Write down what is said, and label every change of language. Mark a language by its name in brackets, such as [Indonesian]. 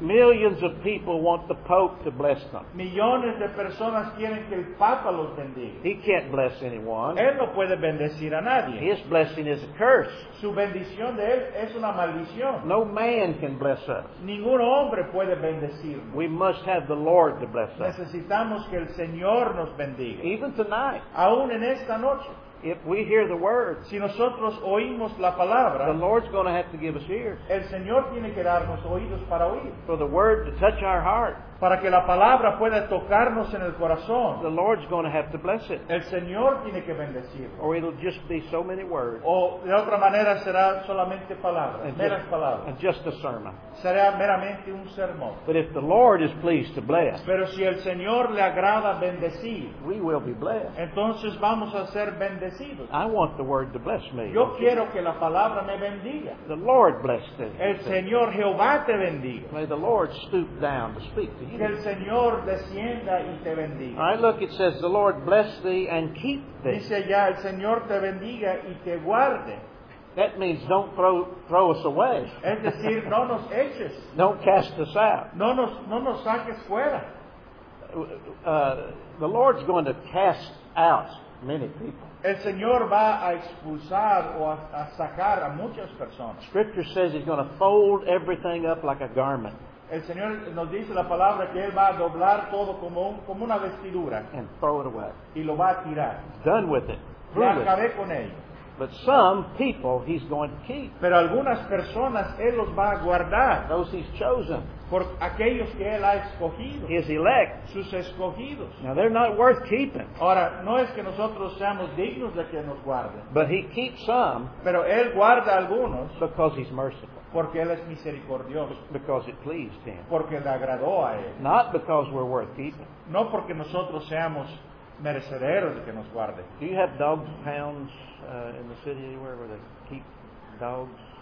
[English] Millions of people want the Pope to bless them. [Spanish] Millones de personas quieren que el Papa los bendiga. [English] He can't bless anyone. [Spanish] Él no puede bendecir a nadie. [English] His blessing is a curse. [Spanish] Su bendición de él es una maldición. [English] No man can bless us. [Spanish] Ningún hombre puede bendecirnos. [English] We must have the Lord to bless us. [Spanish] Necesitamos que el Señor nos bendiga. [English] Even tonight. [Spanish] Aún en esta noche. [English] If we hear the word, [Spanish] si nosotros oímos la palabra, [English] the Lord's going to have to give us ears. [Spanish] El Señor tiene que darnos oídos para oír. [English] For the word to touch our heart. [Spanish] Para que la palabra pueda tocarnos en el corazón. [English] The Lord's going to have to bless it. [Spanish] El Señor tiene que bendecirlo. [English] Or it'll just be so many words. [Spanish] O de otra manera será solamente palabras, and meras palabras. [English] And just a sermon. [Spanish] Será meramente un sermón. [English] But if the Lord is pleased to bless, [Spanish] pero si el Señor le agrada bendecir, [English] we will be blessed. [Spanish] Entonces vamos a ser bendecidos. [English] I want the word to bless me. [Spanish] Yo quiero que la palabra me bendiga. [English] The Lord bless thee. [Spanish] El Señor Jehová te bendiga. [English] May the Lord stoop down to speak to you. [Spanish] Que el Señor descienda y te bendiga. [English] All right, look, it says, the Lord bless thee and keep thee. [Spanish] Dice ya, el Señor te bendiga y te guarde. [English] That means don't throw us away. [Spanish] Es decir, no nos eches. [English] Don't cast us out. [Spanish] No nos saques fuera. [English] The Lord's going to cast out many people. [Spanish] El Señor va a expulsar o a sacar a muchas personas. [English] Scripture says He's going to fold everything up like a garment. [Spanish] El Señor nos dice la palabra que Él va a doblar todo como una vestidura. [English] And throw it away. [Spanish] Y lo va a tirar. [English] Done with it. [Spanish] Y acabé con ello. [English] But some people He's going to keep. [Spanish] Pero algunas personas Él los va a guardar. [English] Those He's chosen. [Spanish] Por aquellos que Él ha escogido. [English] His elect. [Spanish] Sus escogidos. [English] Now they're not worth keeping. [Spanish] Ahora, no es que nosotros seamos dignos de que nos guarden. [English] But He keeps some. [Spanish] Pero Él guarda algunos. [English] Because He's merciful. [Spanish] Porque Él es misericordioso. [English] Because it pleased Him. [Spanish] Porque le agradó a Él. [English] Not because we're worth keeping. [Spanish] No porque nosotros seamos merecederos de que nos guarde. [English] Do you have dog pounds in the city anywhere where they keep dogs?